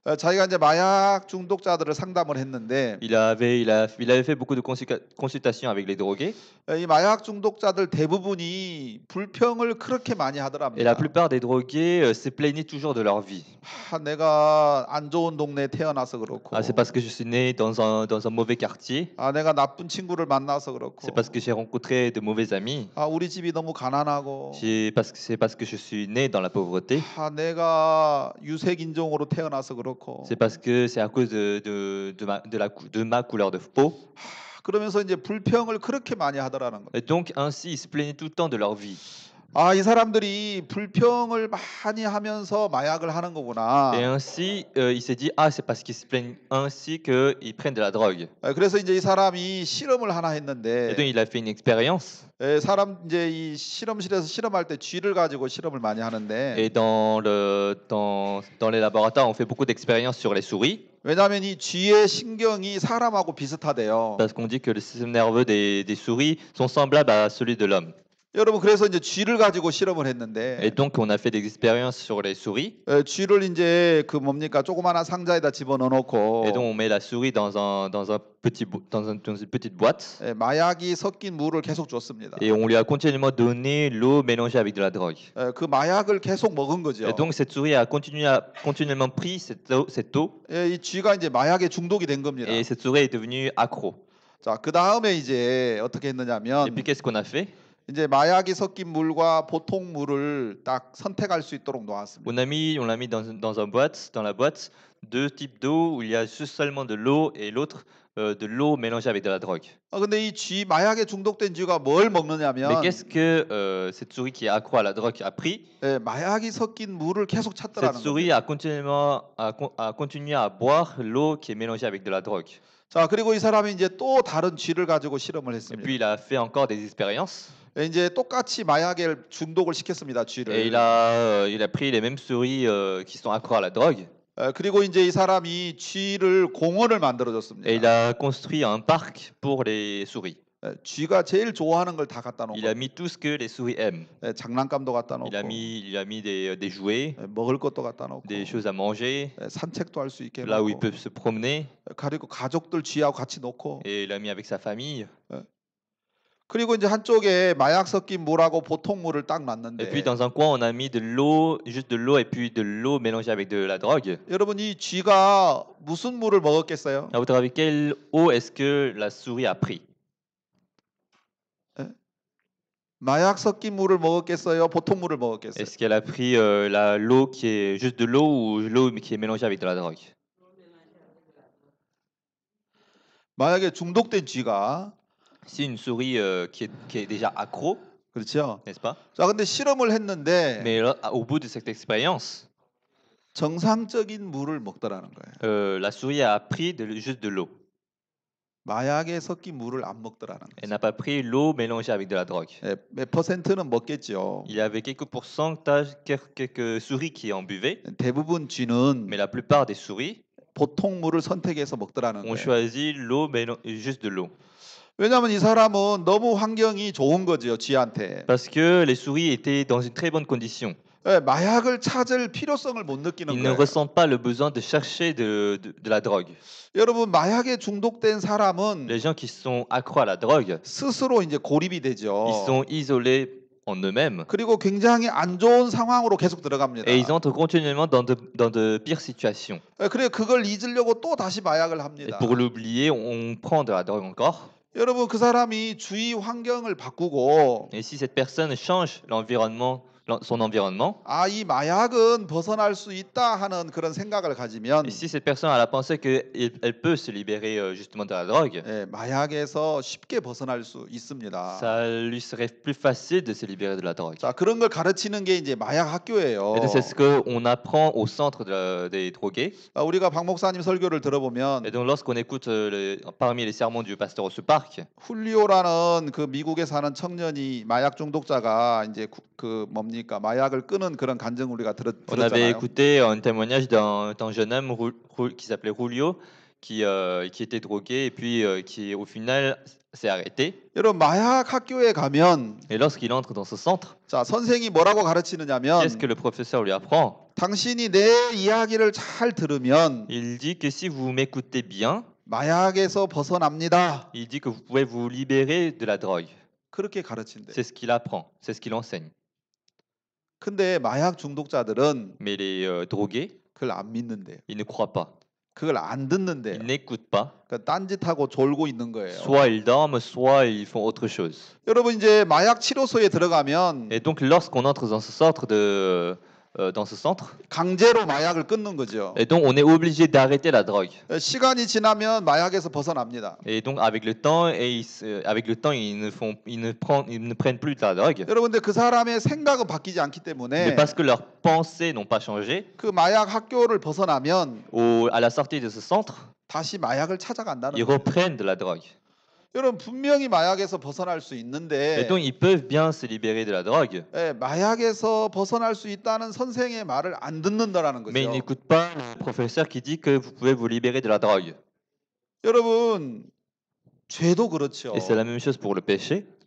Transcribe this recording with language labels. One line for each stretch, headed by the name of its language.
Korean: 자기가 이제 마약 중독자들을 상담을 했는데
French: il avait fait beaucoup de consultations avec les drogués.
Korean: 이 마약 중독자들 대부분이 불평을 그렇게 많이 하더랍니다.
French: Et la plupart des drogués se plaignaient toujours de leur vie.
Korean: 아, 내가 안 좋은 동네에 태어나서 그렇고.
French: Ah, c'est parce que je suis né dans un mauvais quartier.
Korean: 아, 내가 나쁜 친구를 만나서 그렇고.
French: C'est parce que j'ai rencontré de mauvais amis.
Korean: 아, 우리 집이 너무 가난하고.
French: C'est parce que je suis né dans la pauvreté.
Korean: 아, 내가 유색 인종으로 태어나서 그렇고.
French: C'est parce que c'est à cause de ma couleur de peau.
Korean: 그러면서 이제 불평을 그렇게 많이 하더라는 거.
French: Et donc ainsi ils se plaignaient tout le temps de leur vie.
Korean: 아, 이 사람들이 불평을 많이 하면서 마약을 하는 거구나.
French: Et ainsi il s'est dit ah c'est parce qu'ils se plaignent ainsi que ils prennent de la drogue.
Korean: 그래서 이제 이 사람이 실험을 하나 했는데.
French: Et donc il a fait une expérience.
Korean: 예, 사람 이제 이 실험실에서 실험할 때 쥐를 가지고 실험을 많이 하는데.
French: Et dans les laboratoires, on fait beaucoup d'expériences sur les souris.
Korean: 왜냐하면 이 쥐의 신경이 사람하고 비슷하대요.
French: Parce qu'on dit que le système nerveux des souris sont semblables à celui de l'homme.
Korean: 여러분 그래서 이제 쥐를 가지고 실험을 했는데.
French: Et donc on a fait des expériences sur les souris.
Korean: 예, 쥐를 이제 그 뭡니까 조그마한 상자에다 집어넣어놓고.
French: Et donc on met la souris dans une petite boîte.
Korean: 예, 마약이 섞인 물을 계속 줬습니다.
French: Et on lui a continuellement donné l'eau mélangée avec de la drogue.
Korean: 예, 그 마약을 계속 먹은 거죠.
French: Et donc cette souris a continuellement pris cette eau.
Korean: 예, 이 쥐가 이제 마약에 중독이 된 겁니다.
French: Et cette souris est devenue accro.
Korean: 자, 그 다음에 이제 어떻게 했느냐면.
French: Et puis qu'est-ce qu'on a fait?
Korean: 이제 마약이 섞인 물과 보통 물을 딱 선택할 수 있도록 놓았습니다.
French: On l'a mis dans la boîte deux types d'eau où il y a juste seulement de l'eau et l'autre de l'eau mélangée avec de la drogue.
Korean: 아, 근데 이 쥐 마약에 중독된 쥐가 뭘 먹느냐면
French: Mais qu'est-ce que cette souris qui est accro à la drogue a pris?
Korean: 예, 마약이 섞인 물을 계속 찾더라는
French: Cette souris a continué à boire l'eau qui est mélangée avec de la drogue.
Korean: 자, 그리고 이 사람이 이제 또 다른 쥐를 가지고 실험을 했습니다.
French: Et puis il a fait encore des expériences.
Korean: 이제 똑같이 마약에 중독을 시켰습니다 쥐를.
French: Il a pris les mêmes souris qui sont accro à la drogue.
Korean: 그리고 이제 이 사람이 쥐를 공원을 만들어줬습니다.
French: Et il a construit un parc pour les souris.
Korean: 쥐가 제일 좋아하는 걸 다 갖다 놓고.
French: Il a mis tout ce que les souris aiment.
Korean: 장난감도 갖다 놓고.
French: Il a mis des jouets.
Korean: 먹을 것도 갖다 놓고.
French: Des choses à manger.
Korean: 산책도 할 수 있게.
French: Là où ils peuvent se promener.
Korean: 그리고 가족들 쥐하고 같이 놓고.
French: Et il a mis avec sa famille.
Korean: 그리고 이제 한쪽에 마약 섞인 물하고 보통 물을 딱 놨는데.
French: Et puis dans un coin, on a mis de l'eau, juste de l'eau, et puis de l'eau mélangée avec de la drogue.
Korean: 여러분 이 쥐가 무슨 물을 먹었겠어요?
French: À votre avis, quelle eau est-ce que la souris a pris?
Korean: 마약 섞인 물을 먹었겠어요? 보통 물을 먹었겠어요?
French: Est-ce qu'elle a pris la l'eau qui est juste de l'eau ou l'eau qui est mélangée avec de la drogue?
Korean: 마약에 중독된 쥐가
French: Si une souris qui est déjà accro,
Korean: 그렇죠?
French: N'est-ce pas?
Korean: 자, 근데 실험을 했는데,
French: Mais au bout de cette expérience,
Korean: 정상적인 물을 먹더라는 거예요.
French: La souris a pris juste de l'eau.
Korean: 마약에 섞인 물을 안 먹더라는
French: Elle n'a pas pris l'eau mélangée avec de la drogue.
Korean: 거죠. 몇 퍼센트는
French: Il y
Korean: 먹겠죠.
French: avait quelques pourcentages, quelques souris qui en buvaient.
Korean: 대부분 쥐는
French: Mais la plupart des souris
Korean: 보통 물을 선택해서 먹더라는
French: ont
Korean: 거예요.
French: choisi l'eau juste de l'eau.
Korean: 왜냐하면 이 사람은 너무 환경이 좋은 거지요, 쥐한테.
French: Parce que les souris étaient dans une très bonne condition.
Korean: 네, 마약을 찾을 필요성을 못 느끼는
French: Ils
Korean: 거예요.
French: ne ressent pas le besoin de chercher de la drogue.
Korean: 여러분, 마약에 중독된 사람은
French: Les gens qui sont accro à la drogue,
Korean: 스스로 이제 고립이 되죠.
French: Ils sont isolés en eux-mêmes.
Korean: 그리고 굉장히 안 좋은 상황으로 계속 들어갑니다.
French: Et ils entrent continuellement dans de pires situations.
Korean: 네, 그래 그걸 잊으려고 또 다시 마약을 합니다.
French: Et pour l'oublier, on prend de la drogue encore.
Korean: 여러분, 그 사람이 주위 환경을 바꾸고
French: Et si cette personne change l'environnement son environnement.
Korean: 아, 이 마약은 벗어날 수 있다 하는 그런 생각을 가지면
French: Et si cette personne a la pensée que elle peut se libérer justement de la drogue.
Korean: 예, 마약에서 쉽게 벗어날 수 있습니다.
French: Ça lui serait plus facile de se libérer de la drogue.
Korean: 자, 그런 걸 가르치는 게 이제 마약 학교예요.
French: Et c'est ce que on apprend au centre des drogués.
Korean: 아, 우리가 박 목사님 설교를 들어보면
French: Et donc lorsqu'on écoute parmi les sermons du pasteur au parc.
Korean: 훌리오라는 그 미국에 사는 청년이 마약 중독자가 이제 그 뭐 니까 마약을 끊는 그런 간증 우리가 들었잖아요.
French: On avait écouté un témoignage d'un jeune homme qui s'appelait Julio qui était drogué et puis qui au final s'est arrêté.
Korean: 여러분 마약 학교에 가면
French: Et lorsqu'il entre dans ce centre.
Korean: 자, 선생이 뭐라고 가르치느냐면
French: Qu'est-ce que le professeur lui apprend?
Korean: 당신이 내 이야기를 잘 들으면
French: Il dit que si vous m'écoutez bien,
Korean: 마약에서 벗어납니다.
French: Il dit que vous pouvez vous libérer de la drogue.
Korean: 그렇게 가르친대.
French: C'est ce qu'il apprend. C'est ce qu'il enseigne.
Korean: 근데 마약 중독자들은
French: Mais les drogués,
Korean: 그걸 안 믿는데요.
French: Ils ne croient pas.
Korean: 그걸 안 듣는데요.
French: Ils n'écoutent pas.
Korean: 그러니까 딴짓하고 졸고 있는 거예요.
French: Soit ils dorment, soit ils font autre chose.
Korean: 여러분 이제 마약 치료소에 들어가면
French: Et donc lorsqu'on entre dans ce centre dans ce centre,
Korean: 강제로 마약을 끊는 거죠.
French: Et donc on est obligé d'arrêter la drogue.
Korean: 시간이 지나면 마약에서 벗어납니다.
French: Et donc avec le temps, ils ne prennent plus de la drogue.
Korean: 여러분들 그 사람의 생각은 바뀌지 않기 때문에.
French: Mais parce que leurs pensées n'ont pas changé.
Korean: 그 마약 학교를 벗어나면,
French: à la sortie de ce centre,
Korean: 다시 마약을 찾아간다는.
French: Ils reprennent de la drogue.
Korean: 여러분 분명히 마약에서 벗어날 수 있는데
French: Et donc ils peuvent bien se libérer de la drogue.
Korean: 예, 마약에서 벗어날 수 있다는 선생의 말을 안 듣는다라는 거죠.
French: Mais ils n'écoutent pas le professeur qui dit que vous pouvez vous libérer de la drogue.
Korean: 여러분 죄도 그렇죠.
French: Et c'est la même chose pour le péché.